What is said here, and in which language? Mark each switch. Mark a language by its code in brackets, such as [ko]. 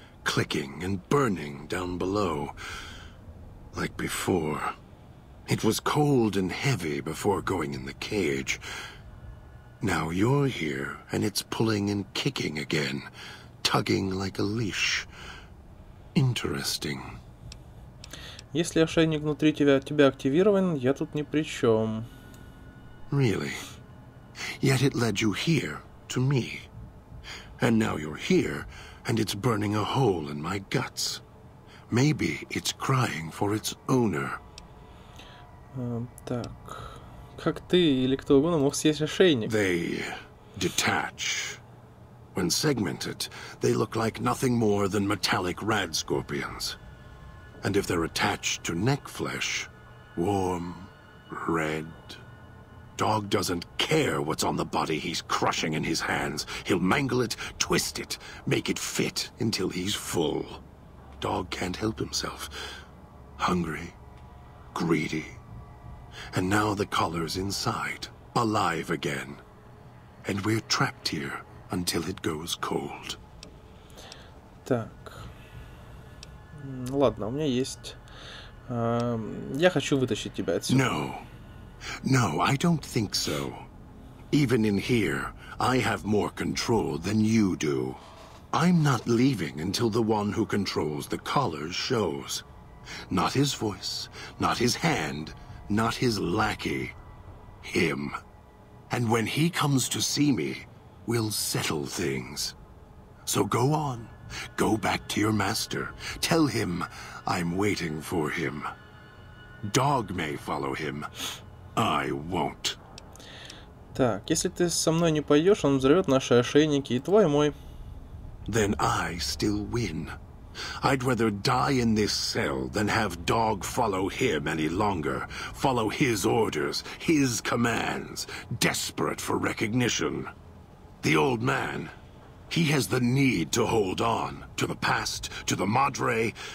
[en] Clicking and burning down below. Like before. It was cold and heavy before going in the cage. Now you're here, and it's pulling and kicking again. Tugging like a leash. Interesting. [ru] Если ошейник внутри тебя активирован, я тут ни при чем. [en] Really? Yet it led you here, to me. And now you're here, and it's burning a hole in my guts. Maybe it's crying for its owner. [ru] Так. Как ты или кто угодно мог съесть ошейник? [en] They detach. When segmented, they look like nothing more than metallic rad scorpions. And if they're attached to neck flesh, warm, red... Dog doesn't care what's on the body he's crushing in his hands. He'll mangle it, twist it, make it fit until he's full. Dog can't help himself. Hungry, greedy. And now the collar's inside, alive again. And we're trapped here until it goes cold. [ru] Так. Ладно, у меня есть... я хочу вытащить тебя отсюда. [en] No. No, I don't think so. Even in here, I have more control than you do. I'm not leaving until the one who controls the collar shows. Not his voice, not his hand, not his lackey. Him. And when he comes to see me, we'll settle things. So go on. Go back to your master. Tell him I'm waiting for him. Dog may follow him. I won't. [ru] Так, если ты со мной не пойдешь, он взорвет наши ошейники, и твой, и мой. [en] Then I still win. I'd rather die in this cell than have Dog follow him any longer. Follow his orders, his commands, desperate for recognition. The old man, he has the need to hold on to the past, to the Madre.